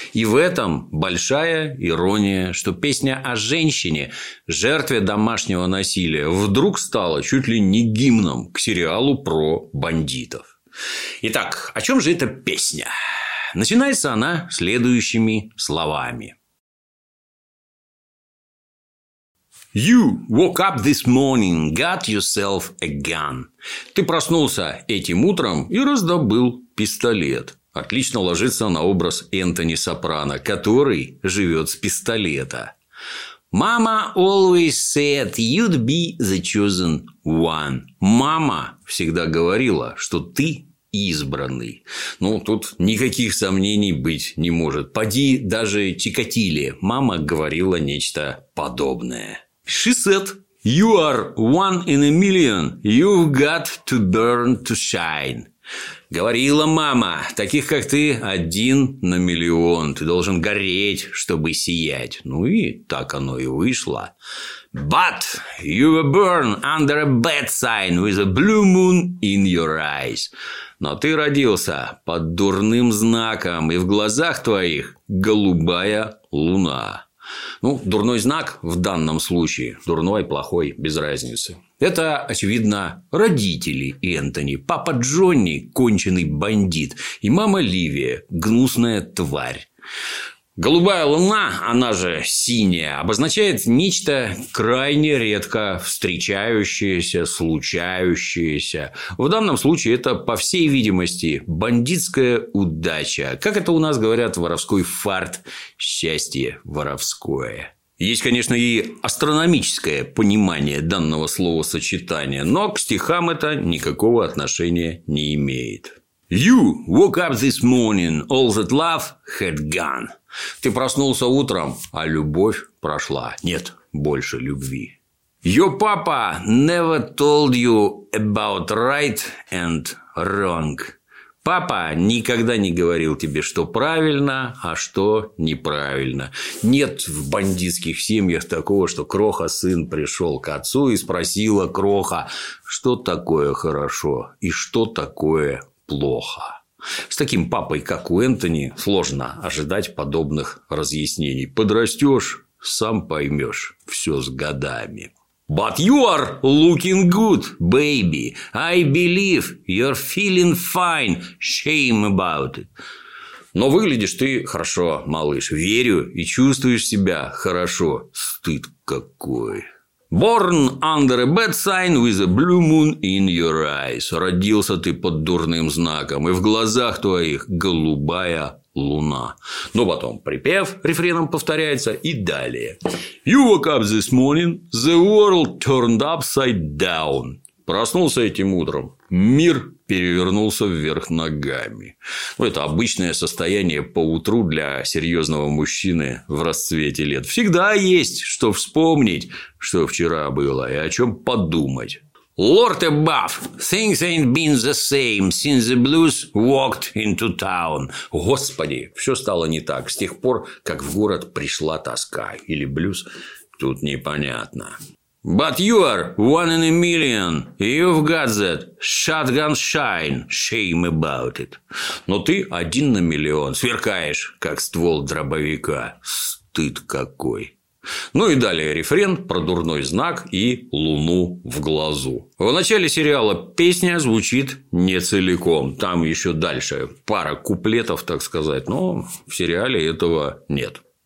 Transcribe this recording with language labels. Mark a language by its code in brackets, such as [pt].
[ru] И в этом большая ирония, что песня о женщине, жертве домашнего насилия, вдруг стала чуть ли не гимном к сериалу про бандитов. Итак, о чем же эта песня? Начинается она следующими словами. [en] You woke up this morning, got yourself a gun. [ru] Ты проснулся этим утром и раздобыл пистолет. Отлично ложится на образ Энтони Сопрано, который живет с пистолета. [en] Mama always said you'd be the chosen one. [ru] Мама всегда говорила, что ты избранный. Ну, тут никаких сомнений быть не может. Поди даже Чикатиле. Мама говорила нечто подобное. [en] She said, you are one in a million, you've got to burn to shine. [ru] Говорила мама, таких как ты один на миллион, ты должен гореть, чтобы сиять. Ну и так оно и вышло. [en] But you were born under a bad sign with a blue moon in your eyes. [ru] Но ты родился под дурным знаком, и в глазах твоих голубая луна. Ну, дурной знак в данном случае, дурной, плохой, без разницы. Это, очевидно, родители Энтони. Папа Джонни – конченый бандит. И мама Ливия – гнусная тварь. Голубая луна, она же синяя, обозначает нечто крайне редко встречающееся, случающееся. В данном случае это, по всей видимости, бандитская удача. Как это у нас говорят, воровской фарт, счастье воровское. Есть, конечно, и астрономическое понимание данного словосочетания, но к стихам это никакого отношения не имеет. [en] You woke up this morning, all that love had gone. [ru] Ты проснулся утром, а любовь прошла. Нет больше любви. [en] Your papa never told you about right and wrong. [ru] Папа никогда не говорил тебе, что правильно, а что неправильно. Нет в бандитских семьях такого, что кроха сын пришел к отцу и спросила кроха, что такое хорошо и что такое плохо. С таким папой, как у Энтони, сложно ожидать подобных разъяснений. Подрастешь, сам поймешь, все с годами. [en] But you are looking good, baby. I believe you're feeling fine. Shame about it. [ru] Но выглядишь ты хорошо, малыш. Верю и чувствуешь себя хорошо. Стыд какой. [en] Born under a bad sign with a blue moon in your eyes. [ru] Родился ты под дурным знаком, и в глазах твоих голубая луна. Но потом припев рефреном повторяется и далее. [en] You woke up this morning, the world turned upside down. [ru] Проснулся этим утром, мир перевернулся вверх ногами. Ну, это обычное состояние поутру для серьезного мужчины в расцвете лет. Всегда есть что вспомнить, что вчера было, и о чем подумать. [en] Lord above, things ain't been the same since the blues walked into town. [ru] Господи, все стало не так с тех пор, как в город пришла тоска. Или блюз, тут непонятно. [en] But you are one in a million. You've got that shotgun shine. Shame about it. [ru] Но ты один на миллион. Сверкаешь, как ствол дробовика. Стыд какой. Ну и далее рефрен про дурной знак и луну в глазу. В начале сериала песня звучит не целиком. Там еще дальше пара куплетов, так сказать. Но в сериале этого нет.